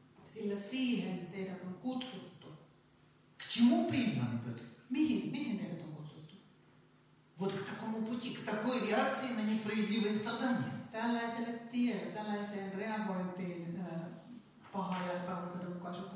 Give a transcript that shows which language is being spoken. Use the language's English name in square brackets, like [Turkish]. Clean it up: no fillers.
[Finnish] Sillä siihen teidät on kutsuttu. [Russian] К чему призваны, Петр? [Finnish] Mihin teidät on kutsuttu? [Russian] Вот к такому пути, к такой реакции на несправедливые страдания. [Finnish] Tällaiselle tielle, tällaiseen reagointiin pahaa ja epäoikeudenmukaisuutta